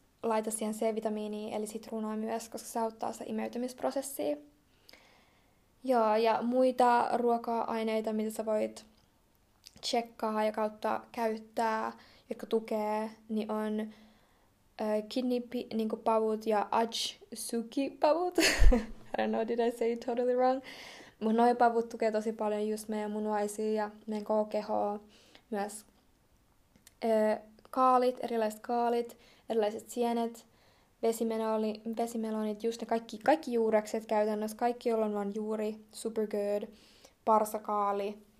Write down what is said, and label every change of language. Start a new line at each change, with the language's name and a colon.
Finnish: laita siihen C-vitamiinia, eli sitruunaa myös, koska se auttaa sitä imeytymisprosessia. Joo, ja muita ruoka-aineita, mitä sä voit tsekkaa ja kautta käyttää, jotka tukee, niin on kidney niin kuin pavut ja ajsuki-pavut.
English: I don't know, did I say it totally wrong?
Finnish: Mun noi pavut tukee tosi paljon just meidän munuaisia ja meidän koko kehoa. Myös kaalit, erilaiset kaalit, erilaiset sienet, vesimelonit, just ne kaikki juurekset käytännössä, kaikki, joilla on vaan juuri,
English: super good,
Finnish: parsakaali.